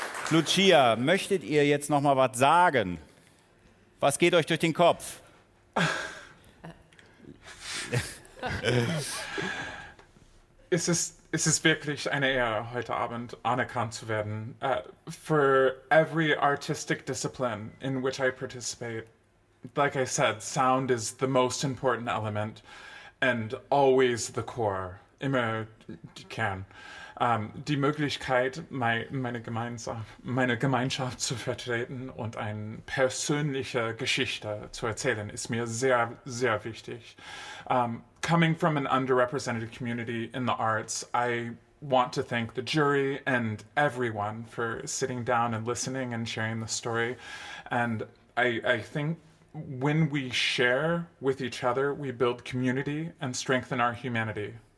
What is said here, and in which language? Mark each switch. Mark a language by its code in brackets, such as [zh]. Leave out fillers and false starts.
[de] Lucia, möchtet ihr jetzt noch mal was sagen? Was geht euch durch den Kopf? Es ist wirklich eine Ehre, heute Abend anerkannt zu werden. [en] For every artistic discipline in which I participate, like I said, sound is the most important element and always the core, [de] immer die Kern. Die Möglichkeit, meine Gemeinschaft zu vertreten und eine persönliche Geschichte zu erzählen, ist mir sehr, sehr wichtig. [en] Coming from an underrepresented community in the arts, I want to thank the jury and everyone for sitting down and listening and sharing the story. And I think when we share with each other, we build community and strengthen our humanity.